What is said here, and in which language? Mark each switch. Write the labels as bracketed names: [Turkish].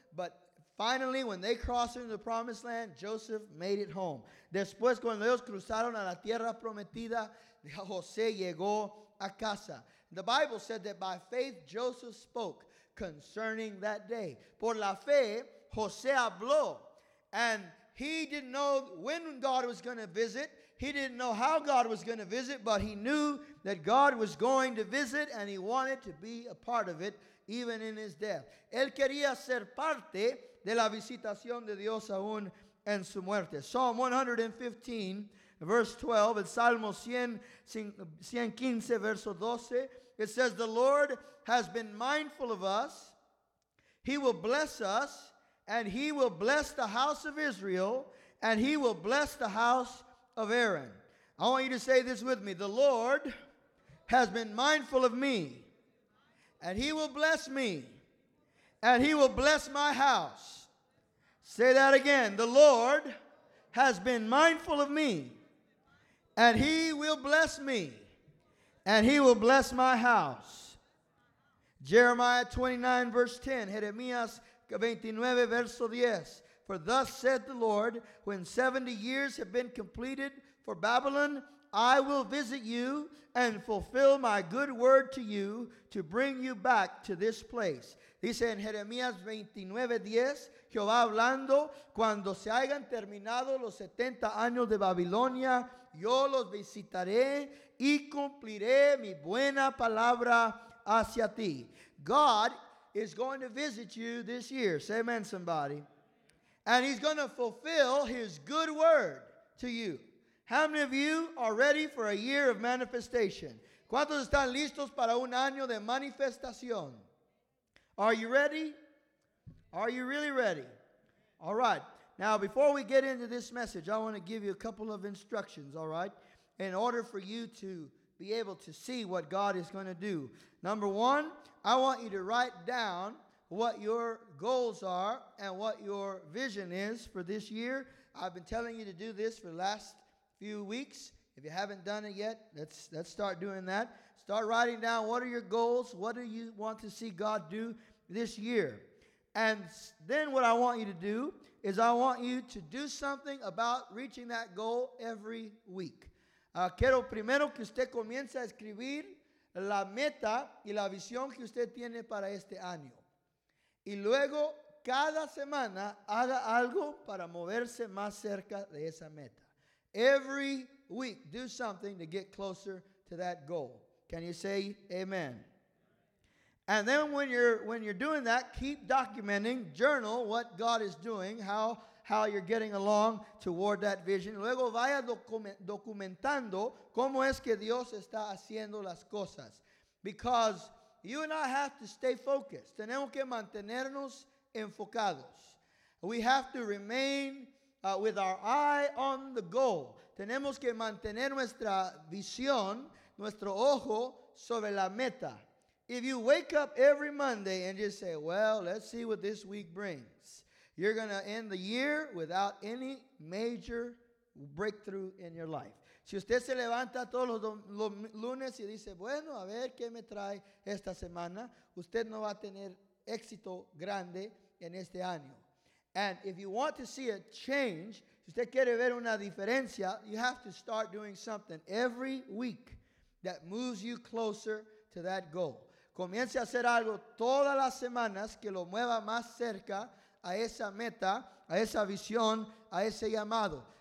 [English] But finally, when they crossed into the promised land, Joseph made it home. [Spanish] Después, cuando ellos cruzaron a la tierra prometida, José llegó a casa. [English] The Bible said that by faith Joseph spoke concerning that day. [Spanish] Por la fe, José habló. [English] And he didn't know when God was going to visit. He didn't know how God was going to visit, but he knew that God was going to visit and he wanted to be a part of it even in his death. [Spanish] Él quería ser parte de la visitación de Dios aún en su muerte. [English] Psalm 115, verse 12, [Spanish] el Salmo 115, verso 12, [English] it says, the Lord has been mindful of us. He will bless us, and he will bless the house of Israel, and he will bless the house of Aaron. I want you to say this with me. The Lord has been mindful of me, and he will bless me, and he will bless my house. Say that again. The Lord has been mindful of me, and he will bless me, and he will bless my house. Jeremiah 29, verse 10. [Spanish] Jeremías 29, verso 10. [English] For thus said the Lord, when 70 years have been completed for Babylon, I will visit you and fulfill my good word to you to bring you back to this place. [Spanish] Dice en Jeremías 29, 10, Jehová hablando, cuando se hayan terminado los 70 años de Babilonia, yo los visitaré y cumpliré mi buena palabra hacia ti. [English] God is going to visit you this year. Say amen, somebody. And he's going to fulfill his good word to you. How many of you are ready for a year of manifestation? [Spanish] ¿Cuántos están listos para un año de manifestación? [English] Are you ready? Are you really ready? All right. Now, before we get into this message, I want to give you a couple of instructions, all right, in order for you to be able to see what God is going to do. Number one, I want you to write down what your goals are and what your vision is for this year. I've been telling you to do this for the last few weeks. If you haven't done it yet, let's start doing that. Start writing down what are your goals, what do you want to see God do this year. And then what I want you to do is I want you to do something about reaching that goal every week. [Spanish] Quiero primero que usted comience a escribir la meta y la visión que usted tiene para este año. Y luego, cada semana, haga algo para moverse más cerca de esa meta. [English] Every week, do something to get closer to that goal. Can you say amen? And then when you're doing that, keep documenting, journal what God is doing, how you're getting along toward that vision. [Spanish] Luego vaya documentando cómo es que Dios está haciendo las cosas. [English] Because you and I have to stay focused. [Spanish] Tenemos que mantenernos enfocados. [English] We have to remain with our eye on the goal. [Spanish] Tenemos que mantener nuestra visión, nuestro ojo sobre la meta. [English] If you wake up every Monday and just say, well, let's see what this week brings, you're going to end the year without any major breakthrough in your life. [Spanish] Si usted se levanta todos los lunes y dice, bueno, a ver qué me trae esta semana, usted no va a tener éxito grande en este año. [English] And if you want to see a change, [Spanish] si usted quiere ver una diferencia, [English] you have to start doing something every week that moves you closer to that goal. [Spanish] Comience a hacer algo todas las semanas que lo mueva más cerca a esa meta, a esa visión, a ese llamado.